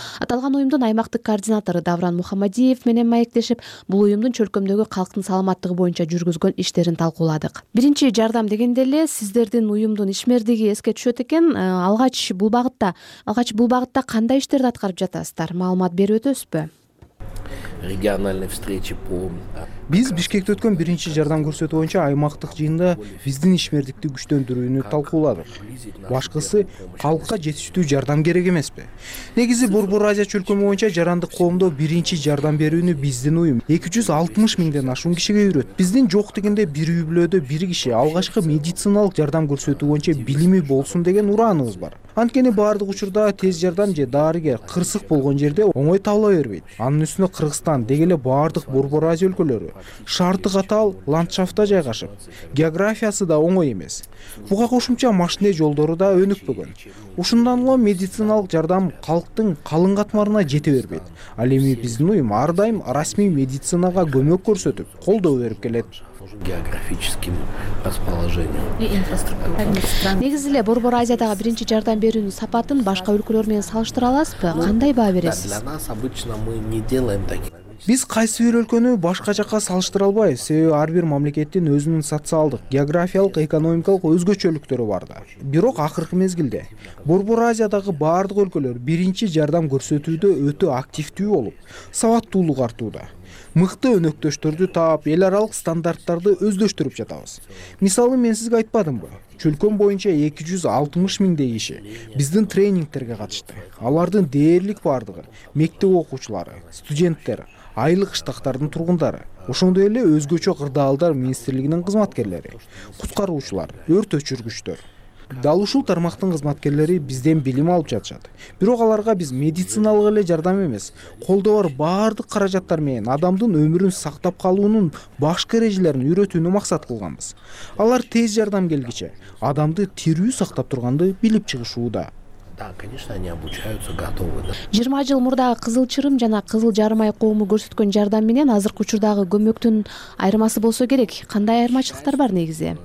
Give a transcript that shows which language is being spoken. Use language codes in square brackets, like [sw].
[ky] Аталган уюмдун аймактык координатору Давран Мухаммадиев менен маектешип, бул уюмдун чөлкөмдөгү калктын саламаттыгы боюнча жүргүзгөн иштерин талкууладык. Биринчи жардам дегенде эле сиздердин уюмдун ишмердиги эске түшөт экен. Алгач бул багытта кандай иштерди аткарып жатасыздар? Маалымат берип өтөсүзбү? [ru] Региональные встречи по [ky] Биз Бишкекте өткөн биринчи жардам көрсөтүү боюнча аймактык жыйында биздин ишмердикти күчтөндүрүүнү талкууладык. Башкысы, калкка жетиштүү жардам керек эмеспи? Негизи Борбор Азия чөлкөмү боюнча жарандык коомдо биринчи жардам берүүнү биздин уюм 260 миңден ашуун кишиге үйрөт. Биздин жок дегенде бир үй бүлөдө бир киши алгачкы медициналык жардам көрсөтүү боюнча билими болсун деген ураанбыз бар. Анткени баардык учурда тез жардам же дарыгер кырсык болгон жерде оңой табыла бербейт. Анын үстүнө Кыргызстан деги эле баардык Борбор Азия өлкөлөрү шарты катаал ландшафтта жайгашып, географиясы да оңой эмес. Буга кошумча машине жолдору да өнүкпөгөн. Ушундан улам медициналык жардам калктын калың катмарына жете бербейт. Ал эми биздин уюм ар дайым расмий медицинага көмөк көрсөтүп, колдоо берип келет. [ru] Географическим расположением и инфраструктурой. [ky] Негизи эле Борбор Азиядагы биринчи жардам берүүнүн сапатын башка өлкөлөр менен салыштыра аласызбы? Кандай баа бересиз? [ru] Для нас обычно мы не делаем таких. [ky] Биз кайсы бир өлкөнү башка жакка салыштыра албайбыз, себеби ар бир мамлекеттин өзүнүн социалдык, географиялык, экономикалык өзгөчөлүктөрү бар да. Бирок акыркы мезгилде Борбор Азиядагы баардык өлкөлөр биринчи жардам көрсөтүүдө өтө активдүү болуп, сабаттуулук артууда. Мыкты өнөктөштөрдү таап, эл аралык стандарттарды өздөштүрүп жатабыз. Мисалы, мен сизге айтпадымбы? Чөлкөм боюнча 260 миңдей киши биздин тренингтерге катышты. Алардын дээрлик бардыгы мектеп окуучулары, студенттер, айылдык кыштактардын тургундары. Ошондой эле өзгөчө кырдаалдар министрлигинин кызматкерлери, куткаруучулар, өрт өчүргүчтөр. Дал ушул тармактын кызматкерлери бизден билим алып жатышат. Бирок аларга биз медициналык эле жардам эмес, колдо бар баардык каражаттар менен адамдын өмүрүн сактап калуунун башкы эрежелерин үйрөтүүнү максат кылганбыз. Алар тез жардам келгиче адамды тирүү сактап турганды билип чыгышууда. [ru] Да, конечно, они обучаются, готовы. [ky] 20 жыл мурдагы Кызыл Чырым жана Кызыл Жармай коому көрсөткөн жардам менен азыркы учурдагы көмөктүн айырмасы болсо керек. Кандай айырмачылыктар бар негизи?